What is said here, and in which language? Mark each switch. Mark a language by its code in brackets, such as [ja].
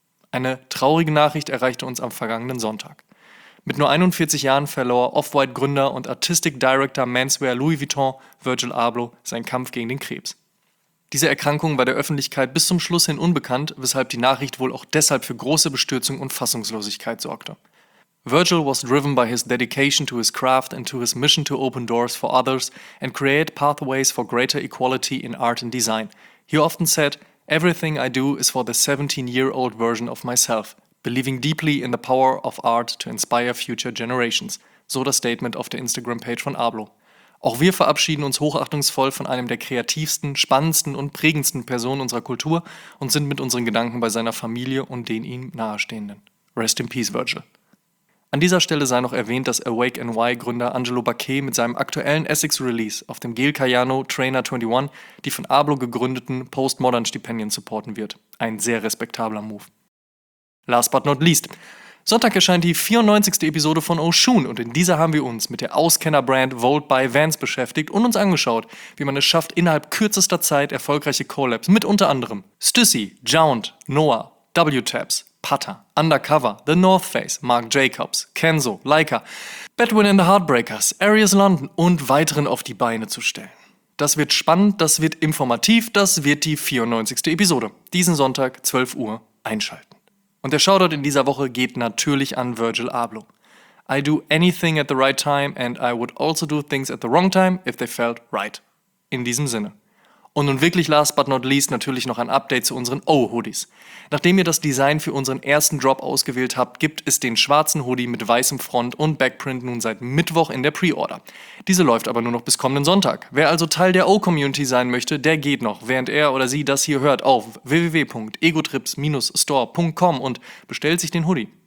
[de] Eine traurige Nachricht erreichte uns am vergangenen Sonntag. Mit nur 41 Jahren verlor Off-White-Gründer und Artistic Director Menswear Louis Vuitton Virgil Abloh seinen Kampf gegen den Krebs. Diese Erkrankung war der Öffentlichkeit bis zum Schluss hin unbekannt, weshalb die Nachricht wohl auch deshalb für große Bestürzung und Fassungslosigkeit sorgte. [en] Virgil was driven by his dedication to his craft and to his mission to open doors for others and create pathways for greater equality in art and design. He often said, "Everything I do is for the 17-year-old version of myself." Believing deeply in the power of art to inspire future generations. [de] So das Statement auf der Instagram-Page von Abloh. Auch wir verabschieden uns hochachtungsvoll von einem der kreativsten, spannendsten und prägendsten Personen unserer Kultur und sind mit unseren Gedanken bei seiner Familie und den ihm Nahestehenden. [en] Rest in peace, [de] Virgil. An dieser Stelle sei noch erwähnt, dass Awake NY-Gründer Angelo Baquet mit seinem aktuellen Essex-Release auf dem Gel Cayano Trainer 21 die von Abloh gegründeten Postmodern-Stipendien supporten wird. Ein sehr respektabler Move. [en] Last but not least. [de] Sonntag erscheint die 94. Episode von Oshun und in dieser haben wir uns mit der Auskenner-Brand Volt by Vance beschäftigt und uns angeschaut, wie man es schafft, innerhalb kürzester Zeit erfolgreiche Collabs mit unter anderem Stüssy, Jount, Noah, W-Tabs, Putter, Undercover, The North Face, Marc Jacobs, Kenzo, Leica, Bedouin and the Heartbreakers, Arias London und weiteren auf die Beine zu stellen. Das wird spannend, das wird informativ, das wird die 94. Episode. Diesen Sonntag, 12 Uhr, einschalten. Und der Shoutout in dieser Woche geht natürlich an Virgil Abloh. [en] I do anything at the right time and I would also do things at the wrong time if they felt right. [de] In diesem Sinne. Und nun wirklich [en] last but not least [de] natürlich noch ein Update zu unseren O-Hoodies. Nachdem ihr das Design für unseren ersten Drop ausgewählt habt, gibt es den schwarzen Hoodie mit weißem Front und Backprint nun seit Mittwoch in der Pre-Order. Diese läuft aber nur noch bis kommenden Sonntag. Wer also Teil der O-Community sein möchte, der geht noch, während er oder sie das hier hört, auf www.egotrips-store.com und bestellt sich den Hoodie.